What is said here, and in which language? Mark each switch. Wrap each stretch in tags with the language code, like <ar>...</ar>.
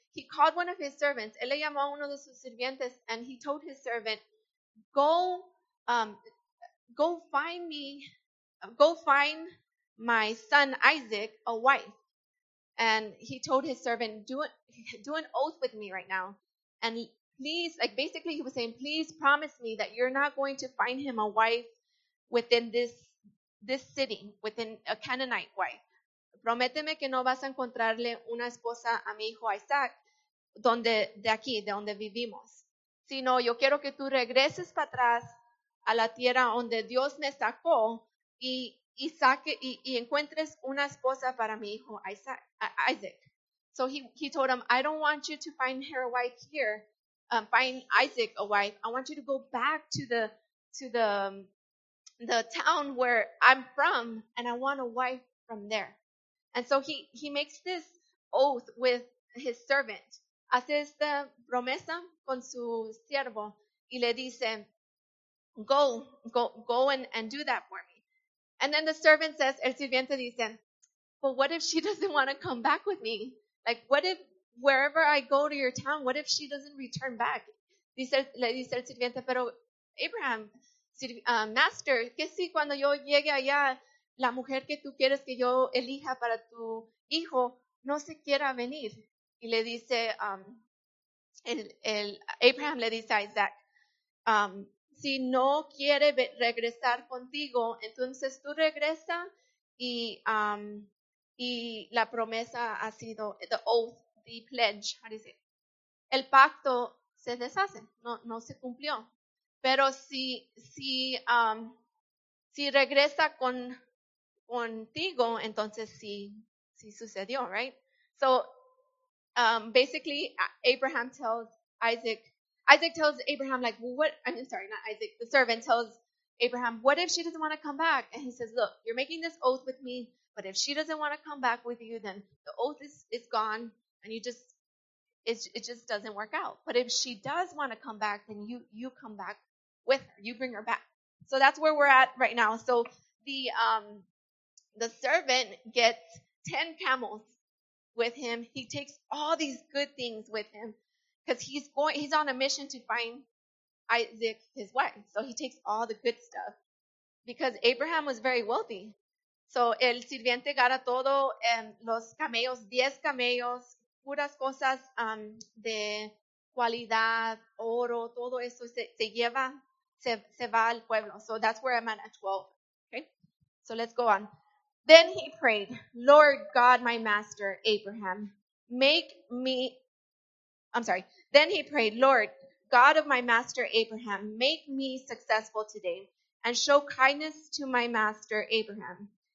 <en>He called one of his servants.</en> <es>Él le llamó a uno de sus sirvientes</es> <en>and he told his servant, go find my son Isaac a wife. And he told his servant, do an oath with me right now. And please, like basically he was saying, please promise me that you're not going to find him a wife within this city, within a Canaanite wife.</en> <es>Prométeme que no vas a encontrarle una esposa a mi hijo Isaac, donde, de aquí, de donde vivimos. Sino yo quiero que tú regreses para atrás a la tierra donde Dios me sacó y saque y encuentres una esposa para mi hijo Isaac.</es> <en>So he told him, I don't want you to find her a wife here, find Isaac a wife. I want you to go back to the town where I'm from, and I want a wife from there. And so he makes this oath with his servant.</en> <es>Hace esta promesa con su siervo y le dice,</es> <en>go and do that for me. And then the servant says,</en> <es>el sirviente dice,</es> <en>well, what if she doesn't want to come back with me? Like, what if wherever I go to your town, what if she doesn't return back?</en> <es>Le dice el sirviente, pero Abraham, master, ¿qué si cuando yo llegue allá, la mujer que tú quieres que yo elija para tu hijo no se quiera venir? Y le dice, Abraham le dice a Isaac, si no quiere regresar contigo, entonces tú regresa y la promesa ha sido,</es> <en>the oath, the pledge, how do you say it?</en> <es>El pacto se deshace, no se cumplió. Pero si regresa contigo, entonces sí sucedió, right?</es> <en>So, basically, Abraham tells Isaac, the servant tells Abraham, what if she doesn't want to come back? And he says, look, you're making this oath with me, but if she doesn't want to come back with you, then the oath is gone, and it just doesn't work out. But if she does want to come back, then you come back with her. You bring her back. So that's where we're at right now. So the servant gets 10 camels with him. He takes all these good things with him because he's on a mission to find Isaac, his wife. So he takes all the good stuff because Abraham was very wealthy.</en> <es>So el sirviente gana todo en los camellos, 10 camellos, puras cosas de cualidad, oro, todo eso se lleva, se va al pueblo.</es> <en>So that's where I'm at 12. Okay, so let's go on. Then he prayed, Lord God, my master, Abraham, then he prayed, Lord God of my master, Abraham, make me successful today and show kindness to my master, Abraham.</en>